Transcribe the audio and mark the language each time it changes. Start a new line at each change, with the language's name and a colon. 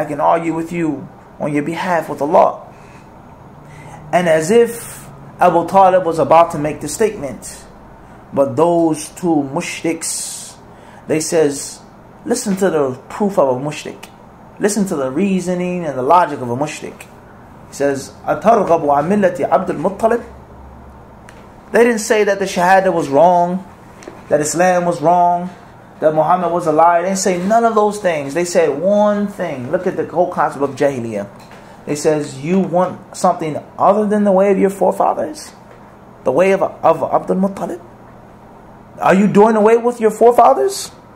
English: I can argue with you on your behalf with Allah. And as if Abu Talib was about to make the statement, but those two mushriks, they says, listen to the proof of a mushrik. Listen to the reasoning and the logic of a mushrik. He says,
Arabic: أَتَرْغَبُ عَنْ مِلَّةِ عَبْدُ الْمُطَّلِبِ.
English: They didn't say that the Shahada was wrong, that Islam was wrong, that Muhammad was a liar. They didn't say none of those things. They said one thing. Look at the whole concept of Jahiliyyah. They says, you want something other than the way of your forefathers? The way of Abd al-Muttalib? Are you doing away with your forefathers?